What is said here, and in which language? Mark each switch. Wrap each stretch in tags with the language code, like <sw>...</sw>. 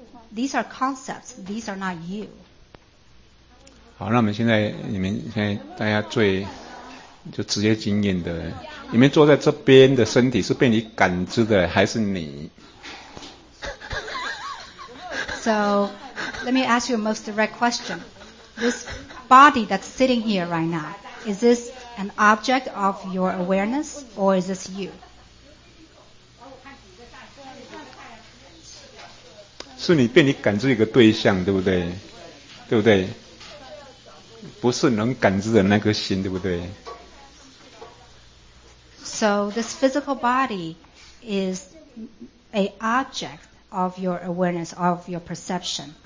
<en>These are concepts. These are not you.</en> <zh>好，那我们现在你们现在大家最。就直接经验的，你们坐在这边的身体是被你感知的，还是你？</zh> <en>So let me ask you a most direct question. This body that's sitting here right now, is this an object of your awareness or is this you?</en> <zh>是你被你感知一个对象，对不对？对不对？不是能感知的那颗心，对不对？</zh> <en>So this physical body is an object of your awareness, of your perception.</en>